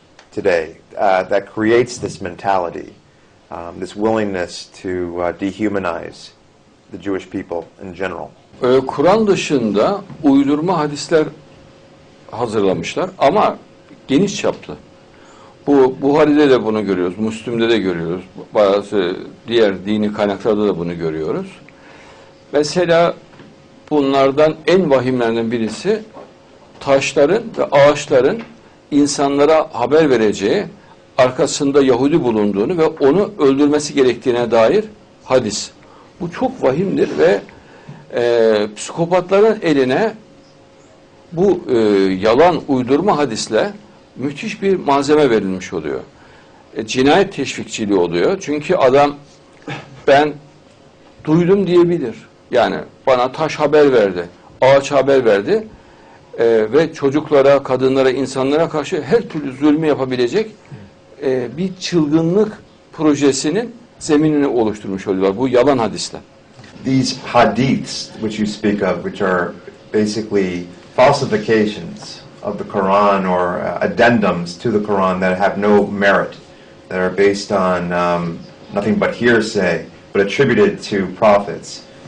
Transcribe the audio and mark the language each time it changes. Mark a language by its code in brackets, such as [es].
[en] today that creates this mentality, this willingness to dehumanize the Jewish people in general. [tr] Kur'an dışında uydurma hadisler hazırlamışlar ama geniş çaplı. Bu Buhari'de de bunu görüyoruz, Müslim'de de görüyoruz, bazı diğer dini kaynaklarda da bunu görüyoruz. Mesela bunlardan en vahimlerinden birisi taşların ve ağaçların insanlara haber vereceği, arkasında Yahudi bulunduğunu ve onu öldürmesi gerektiğine dair hadis. Bu çok vahimdir ve psikopatların eline bu yalan uydurma hadisle müthiş bir malzeme verilmiş oluyor. Cinayet teşvikçiliği oluyor. Çünkü adam ben duydum diyebilir. Yani bana taş haber verdi, ağaç haber verdi ve çocuklara, kadınlara, insanlara karşı her türlü zulmü yapabilecek bir çılgınlık projesinin zeminini oluşturmuş oluyorlar bu yalan hadisle. [en] These hadiths which you speak of, which are basically falsifications of the Quran or addendums to the Quran that have no merit, that are based on nothing but hearsay, but attributed to prophets.